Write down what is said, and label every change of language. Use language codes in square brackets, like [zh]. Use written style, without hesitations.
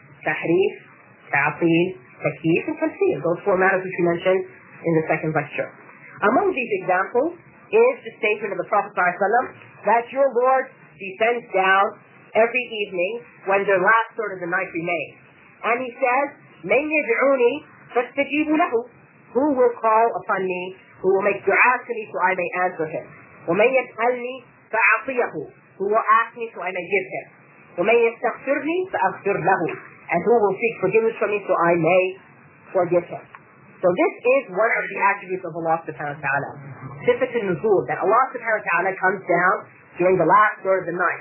[en] Tahrif, ta'atil, takif, and tafsir. Those four matters which we mentioned in the second lecture. Among these examples is the statement of the Prophet sallallahu alayhi wa sallam that your Lord descends down every evening when the last third of the night remains. And he says, [ar] مَنْ يَدْعُونِي فَاسْتَجِيبُ لَهُ. [en] Who will call upon me, who will make dua to me so I may answer him. [ar] وَمَنْ يَسْأَلْنِي فَأَعْطِيَهُ. [en] who will ask me, so I may give him. [ar] وَمَنْ يَسْتَغْفِرْنِي فَأَغْفِرْ لَهُ. [en] And who will seek forgiveness from me, so I may forgive him. So this is one of the attributes of Allah subhanahu wa ta'ala. Sifat al-Nuzul, that Allah subhanahu wa ta'ala comes down during the last third of the night.